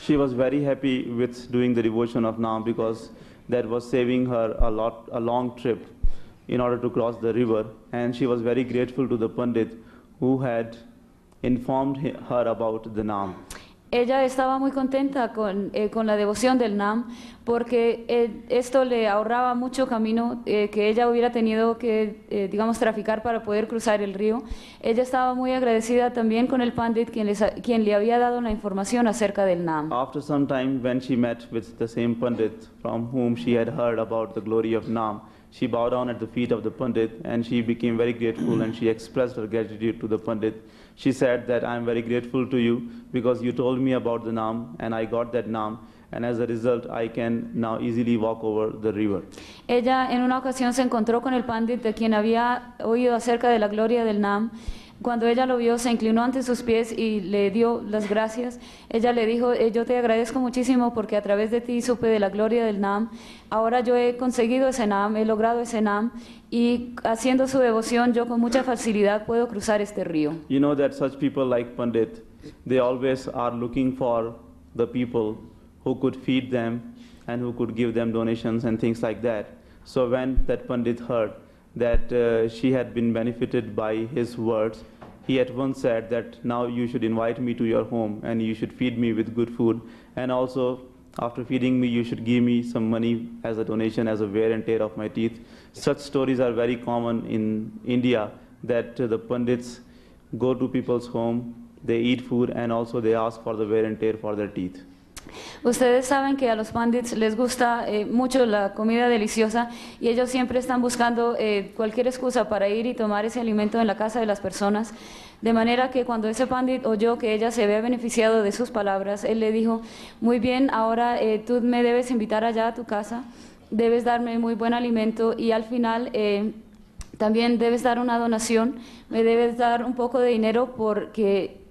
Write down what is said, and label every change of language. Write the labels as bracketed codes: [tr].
[en] She was very happy with doing the devotion of nam because that was saving her a long trip in order to cross the river, and she was very grateful to the pundit who had informed her about the nam. [es] Ella estaba muy contenta con la devoción del nam, porque esto le ahorraba mucho camino que ella hubiera tenido que, digamos, traficar para poder cruzar el río. Ella estaba muy agradecida también con el pandit quien le había dado la información acerca del nam. [en] After some time, when she met with the same pundit from whom she had heard about the glory of nam, she bowed down at the feet of the pundit and she became very grateful and she expressed her gratitude to the pundit. She said that I am very grateful to you because you told me about the nam and I got that nam, and as a result I can now easily walk over the river. [es] Ella en una ocasión se encontró con el pandit de quien había oído acerca de la gloria del nam. Cuando ella lo vio, se inclinó ante sus pies y le dio las gracias. Ella le dijo, yo te agradezco muchísimo porque a través de ti supe de la gloria del nam. Ahora yo he conseguido ese nam, he logrado ese nam, y haciendo su devoción yo con mucha facilidad puedo cruzar este río. [en] You know that such people like Pandit, they always are looking for the people who could feed them and who could give them donations and things like that. So when that Pandit heard that she had been benefited by his words, he at once said that now you should invite me to your home and you should feed me with good food, and also after feeding me you should give me some money as a donation, as a wear and tear of my teeth. Such stories are very common in India, that the pundits go to people's home, they eat food, and also they ask for the wear and tear for their teeth. [es] Ustedes saben que a los pandits les gusta mucho la comida deliciosa, y ellos siempre están buscando cualquier excusa para ir y tomar ese alimento en la casa de las personas. De manera que cuando ese pandit oyó que ella se había beneficiado de sus palabras, él le dijo, muy bien, ahora tú me debes invitar allá a tu casa, debes darme muy buen alimento, y al final también debes dar una donación, me debes dar un poco de dinero porque